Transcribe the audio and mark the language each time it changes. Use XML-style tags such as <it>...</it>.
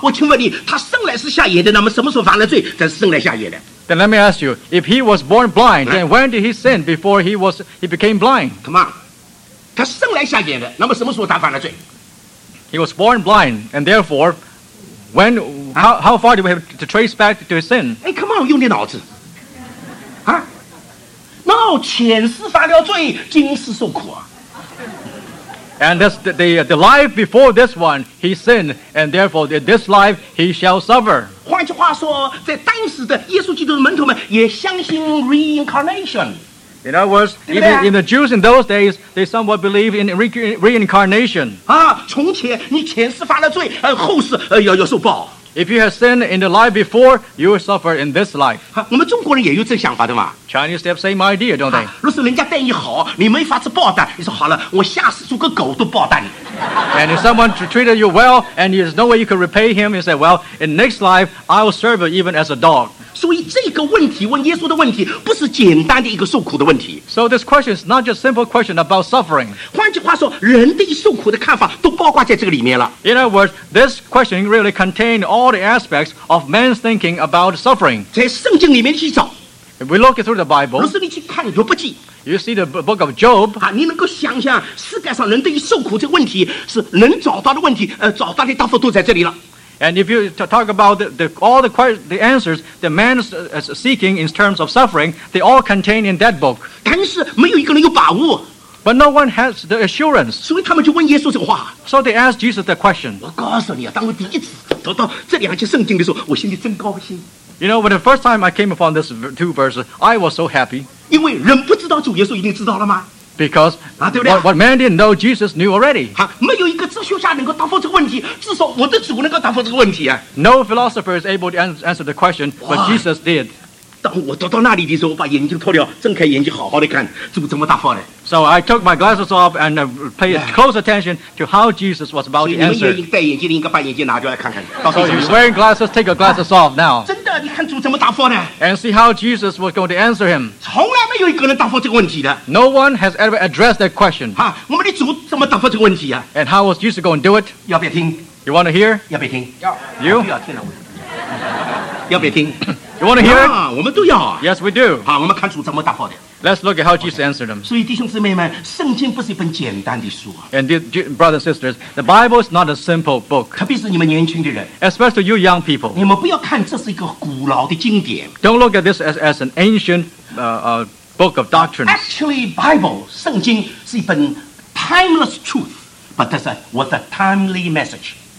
<zh>我请问你，他生来是瞎眼的，那么什么时候犯了罪？才是生来瞎眼的。</zh> <en>Then let me ask you, if he was born blind, then when did he sin before he became blind? Come on.</en> <zh>他生来瞎眼的，那么什么时候他犯了罪？</zh> <en>He was born blind, and therefore, when how far do we have to trace back to his sin? Hey, come on,</en> <zh>用你脑子，啊？那前世犯了罪，今世受苦啊。</zh> <en>And that's the life before this one, he sinned, and therefore in this life he shall suffer.</en> <zh>换句话说，在当时的耶稣基督的门徒们也相信 reincarnation.</zh> <en>In other words,</en> <zh>对不对啊?</zh> <en>even the Jews in those days, they somewhat believe in reincarnation.</en> <zh>啊，从前你前世犯了罪，后世要受报。</zh> <en>If you have sinned in the life before, you will suffer in this life.</en> <zh>啊，我们中国人也有这想法的嘛。</zh> <en>Chinese have same idea, don't they?</en> <zh>若是人家待你好，你没法子报答，你说好了，我下世做个狗都报答你。</zh> <en>And if someone treated you well, and there's no way you could repay him, you say, well, in next life, I will serve you even as a dog.</en> <zh>所以这个问题问耶稣的问题不是简单的一个受苦的问题。</zh> <en>So this question is not just a simple question about suffering.</en> <zh>换句话说，人对受苦的看法都包括在这个里面了。</zh> <en>In other words, this question really contained all the aspects of man's thinking about suffering.</en> <zh>在圣经里面去找。</zh> <en>If we look through the Bible,</en> <zh>若是你去看若不记。</zh> <en>You see the book of Job.</en> <zh>啊，你能够想象世界上人对于受苦这个问题是能找到的问题，找到的答复都在这里了。</zh> <en>And if you talk about the answers that man is seeking in terms of suffering, they all contain in that book.</en> <zh>但是没有一个人有把握。</zh> <en>But no one has the assurance.</en> <zh>所以他们就问耶稣这个话。</zh> <en>So they asked Jesus the question.</en> <zh>我告诉你啊，当我第一次读到这两节圣经的时候，我心里真高兴。</zh> <en>You know, when the first time I came upon this two verses, I was so happy.</en> <zh>因为人不知道主耶稣一定知道了吗？</zh> <en>Because、</en> <zh>啊、对不对？</zh> <en>what man didn't know, Jesus knew already.</en> <zh>没有一个哲学家能够答复这个问题，至少我的主能够答复这个问题啊。</zh> <en>No philosopher is able to answer the question, but Jesus did.</en> <zh>当我走到那里的时候，我把眼睛脱掉，睁开眼睛好好的看，主怎么答复的？</zh> <en>So I took my glasses off and paid close attention to how Jesus was about to answer.</en> <zh>所以你们戴眼镜的应该把眼镜拿出来看看。</zh> <en>So if you're wearing glasses, take your glasses off now.</en> <zh>真的，你看主怎么答复的？</zh> <en>And see how Jesus was going to answer him.</en> <zh>从来没有一个人答复这个问题的。</zh> <en>No one has ever addressed that question.</en> <zh>哈，我们的主怎么答复这个问题啊？</zh> <en>And how was Jesus going to do it?</en> <zh>要不要听？</zh> <en>You want to hear?</en> <zh>要不要听？要。</zh> <en>You?</en> <zh>要听啊！要不要听？</zh> <en>You want to hear?</en> <zh>我们都要。</zh> <en>Yes, we do.</en> <zh>好，我们看主怎么答复的。</zh> <en>Let's look at how Jesus answered them.</en> <zh>所以弟兄姊妹们，圣经不是一本简单的书啊。</zh> <en>And brothers and sisters, the Bible is not a simple book.</en> <zh>特别是你们年轻的人。</zh> <en>Especially you young people.</en> <zh>你们不要看这是一个古老的经典。</zh> <en>Don't look at this as an ancient book of doctrine. Actually, Bible,</en> <zh>圣经是一本</zh> <en>timeless truth, but that's with a timely message.</en>